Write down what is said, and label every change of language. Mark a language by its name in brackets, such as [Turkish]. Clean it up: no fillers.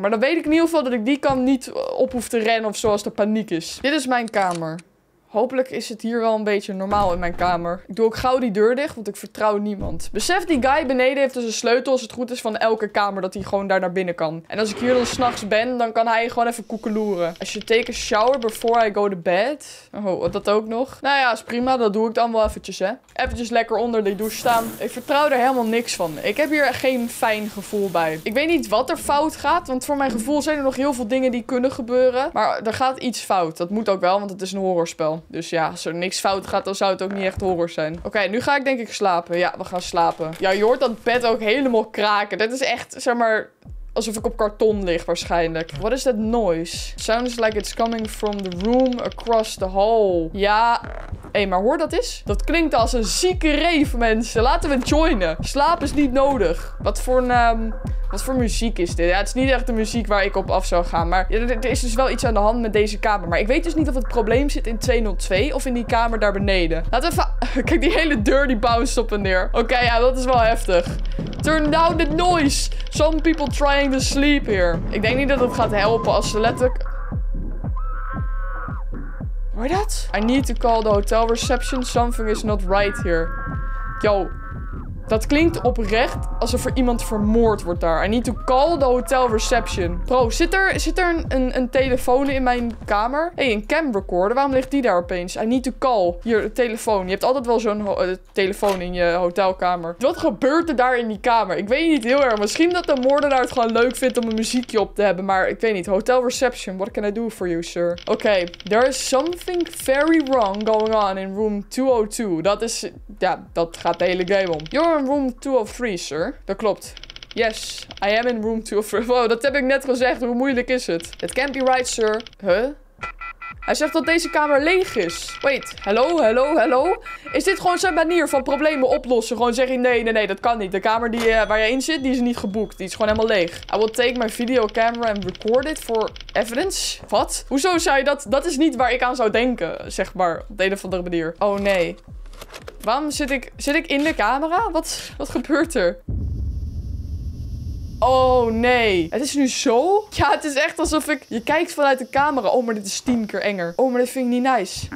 [Dutch] Maar dan weet ik in ieder geval dat ik die kant niet op hoef te rennen of zo als er paniek is. Dit is mijn kamer. Hopelijk is het hier wel een beetje normaal in mijn kamer. Ik doe ook gauw die deur dicht, want ik vertrouw niemand. Besef, die guy beneden heeft dus een sleutel als het goed is van elke kamer. Dat hij gewoon daar naar binnen kan. En als ik hier dan 's nachts ben, dan kan hij gewoon even koekeloeren. [English] I should take a shower before I go to bed. [Dutch] Oh, dat ook nog. Nou ja, is prima. Dat doe ik dan wel eventjes, hè. Eventjes lekker onder die douche staan. Ik vertrouw er helemaal niks van. Ik heb hier geen fijn gevoel bij. Ik weet niet wat er fout gaat. Want voor mijn gevoel zijn er nog heel veel dingen die kunnen gebeuren. Maar er gaat iets fout. Dat moet ook wel, want het is een horrorspel. Dus ja, als er niks fout gaat, dan zou het ook niet echt horror zijn. Oké, nu ga ik denk ik slapen. Ja, we gaan slapen. Ja, je hoort dat bed ook helemaal kraken. Dat is echt, zeg maar, alsof ik op karton lig waarschijnlijk. [English] What is that noise? Sounds like it's coming from the room across the hall. [Dutch] Ja. Hé, maar hoor dat eens. Dat klinkt als een zieke rave, mensen. Laten we joinen. Slaap is niet nodig. Wat voor muziek is dit? Ja, het is niet echt de muziek waar ik op af zou gaan. Maar ja, er is dus wel iets aan de hand met deze kamer. Maar ik weet dus niet of het probleem zit in 202 of in die kamer daar beneden. Laten we even... Kijk, die hele deur die bounce op en neer. Oké, ja, dat is wel heftig. [English] Turn down the noise. Some people trying to sleep here. [Dutch] Ik denk niet dat het gaat helpen als ze letterlijk... Hoor je dat? [English] I need to call the hotel reception. Something is not right here. Yo. [Dutch] Dat klinkt oprecht alsof er iemand vermoord wordt daar. [English] I need to call the hotel reception. [Dutch] Bro, zit er een telefoon in mijn kamer? Hé, een camrecorder. Waarom ligt die daar opeens? [English] I need to call. [Dutch] Hier, de telefoon. Je hebt altijd wel zo'n telefoon in je hotelkamer. Wat gebeurt er daar in die kamer? Ik weet niet heel erg. Misschien dat de moordenaar het gewoon leuk vindt om een muziekje op te hebben. Maar ik weet niet. [English] Hotel reception. What can I do for you, sir? Okay, there is something very wrong going on in room 202. [Dutch] Dat is... Ja, dat gaat de hele game om. [English] You're in room 203, sir. [Dutch] Dat klopt. [English] Yes, I am in room 203. [Dutch] Wow, dat heb ik net gezegd. Hoe moeilijk is het? [English] It can't be right, sir. [Dutch] Huh? Hij zegt dat deze kamer leeg is. [English] Wait, hello? [Dutch] Is dit gewoon zijn manier van problemen oplossen? Gewoon zeggen, nee, dat kan niet. De kamer die, waar je in zit, die is niet geboekt. Die is gewoon helemaal leeg. [English] I will take my video camera and record it for evidence. [Dutch] Wat? Hoezo zei je dat? Dat is niet waar ik aan zou denken, zeg maar. Op de een of andere manier. Oh, nee. Waarom zit ik in de camera? Wat gebeurt er? Oh, nee. Het is nu zo? Ja, het is echt alsof ik... Je kijkt vanuit de camera. Oh, maar dit is 10 keer enger. Oh, maar dit vind ik niet nice.